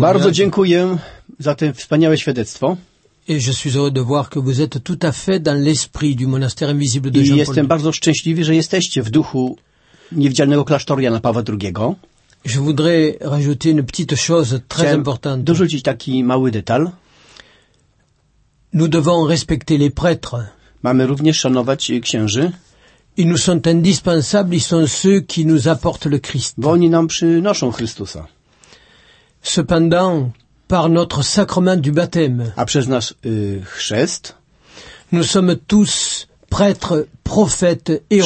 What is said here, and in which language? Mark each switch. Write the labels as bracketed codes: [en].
[pl] Bardzo dziękuję za to wspaniałe świadectwo. [fr] Et je suis heureux de voir que vous êtes tout à fait dans l'esprit du monastère invisible de Jean-Paul. [pl] I jestem bardzo szczęśliwy, że jesteście w duchu niewidzialnego klasztoru Jana Pawła II. [fr] Je voudrais rajouter une petite chose très importante. [pl] Chciałem dorzucić taki mały detal. [fr] Nous devons respecter les prêtres. [pl] Mamy również szanować księży. [fr] I nous sont indispensables, ils sont ceux qui nous apportent le Christ. [pl] Bo oni nam przynoszą Chrystusa. [fr] Cependant, par notre sacrement du baptême. [pl] A przez nasz chrzest. [fr] Nous sommes tous prêtres, prophètes et rois.